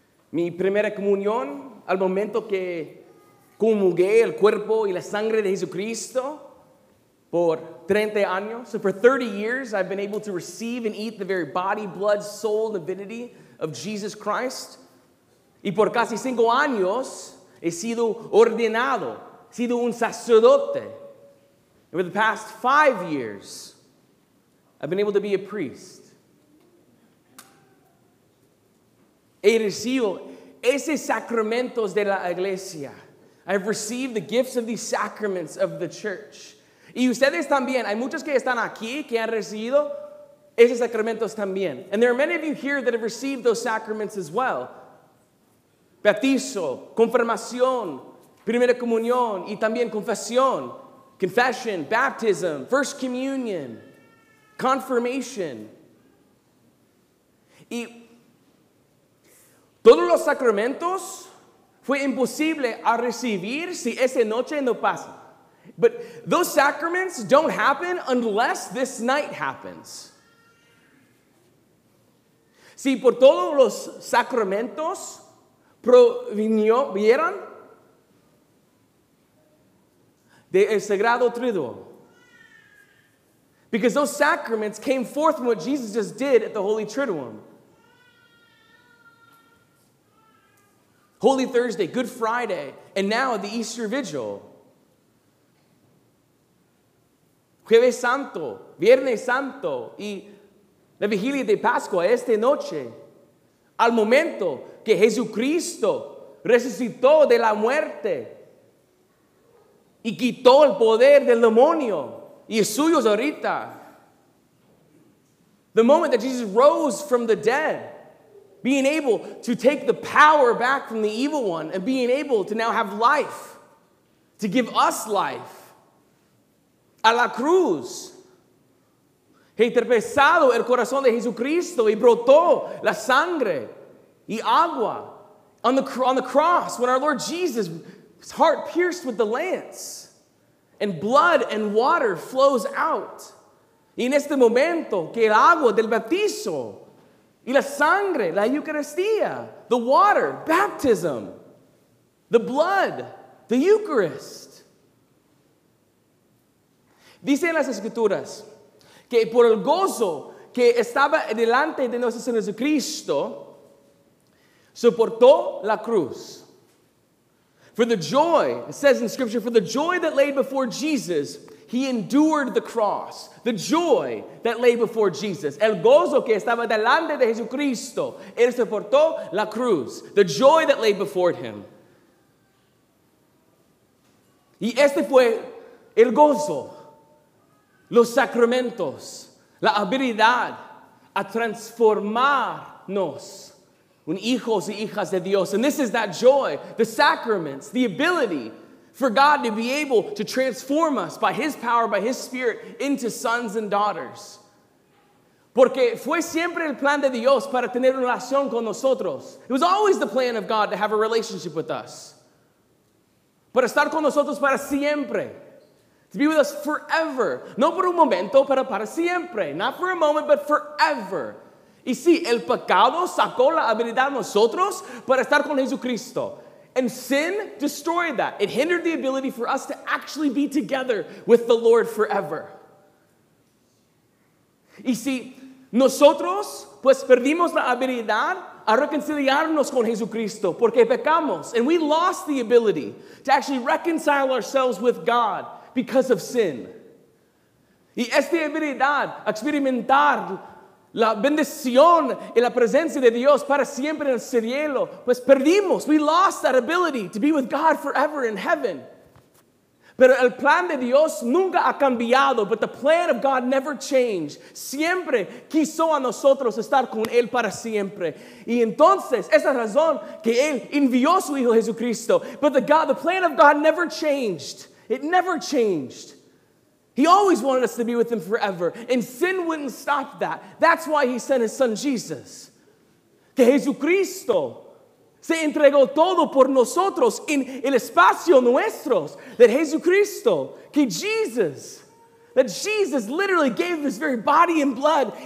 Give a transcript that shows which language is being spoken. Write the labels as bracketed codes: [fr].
[es] Mi primera comunión al momento que comulgué el cuerpo y la sangre de Jesucristo por 30 años. [en] So for 30 years, I've been able to receive and eat the very body, blood, soul, divinity of Jesus Christ. [es] Y por casi 5 años, he sido ordenado, he sido un sacerdote. [en] And for the past 5 years, I've been able to be a priest. [es] He recibido esos sacramentos de la iglesia. [en] I have received the gifts of these sacraments of the church. [es] Y ustedes también, hay muchos que están aquí que han recibido esos sacramentos también. [en] And there are many of you here that have received those sacraments as well. [es] Bautizo, confirmación, primera comunión, y también confesión. [en] Confession, baptism, first communion, confirmation. [es] Y todos los sacramentos fue imposible a recibir si esa noche no pasa. [en] But those sacraments don't happen unless this night happens. [es] Si por todos los sacramentos provinieron de el Sagrado Triduo. [en] Because those sacraments came forth from what Jesus just did at the Holy Triduum. Holy Thursday, Good Friday, and now the Easter Vigil. [es] Jueves Santo, Viernes Santo, y la Vigilia de Pascua, esta noche, al momento que Jesucristo resucitó de la muerte y quitó el poder del demonio y es suyo ahorita. [en] The moment that Jesus rose from the dead, being able to take the power back from the evil one and being able to now have life, to give us life. [es] A la cruz. He traspasado el corazón de Jesucristo y brotó la sangre y agua. [en] On the cross, when our Lord Jesus, his heart pierced with the lance, and blood and water flows out. [es] Y en este momento, que el agua del bautizo y la sangre, la Eucaristía, [en] the water, baptism, the blood, the Eucharist. [es] Dice en las Escrituras que por el gozo que estaba delante de nuestro Señor Jesucristo, soportó la cruz. [en] For the joy, it says in Scripture, for the joy that lay before Jesus, he endured the cross. The joy that lay before Jesus. [es] El gozo que estaba delante de Jesucristo. Él soportó la cruz. [en] The joy that lay before him. [es] Y este fue el gozo. Los sacramentos. La habilidad a transformarnos. Un hijos y hijas de Dios. [en] And this is that joy. The sacraments. The ability for God to be able to transform us by his power, by his spirit, into sons and daughters. [es] Porque fue siempre el plan de Dios para tener una relación con nosotros. [en] It was always the plan of God to have a relationship with us. [es] Para estar con nosotros para siempre. [en] To be with us forever. [es] No por un momento, pero para siempre. [en] Not for a moment, but forever. [es] Y sí, el pecado sacó la habilidad de nosotros para estar con Jesucristo. [en] And sin destroyed that. It hindered the ability for us to actually be together with the Lord forever. [es] Y si nosotros, pues perdimos la habilidad a reconciliarnos con Jesucristo porque pecamos. [en] And we lost the ability to actually reconcile ourselves with God because of sin. [es] Y esta habilidad a experimentar la bendición y la presencia de Dios para siempre en el cielo. Pues perdimos. [en] We lost that ability to be with God forever in heaven. [es] Pero el plan de Dios nunca ha cambiado, [en] but the plan of God never changed. [es] Siempre quiso a nosotros estar con Él para siempre. Y entonces, esa razón que Él envió su Hijo Jesucristo. [en] But the plan of God never changed. It never changed. He always wanted us to be with Him forever. And sin wouldn't stop that. That's why He sent His Son Jesus. [es] Que Jesucristo se entregó todo por nosotros en el espacio nuestros. [en] That Jesucristo, that Jesus literally gave His very body and blood.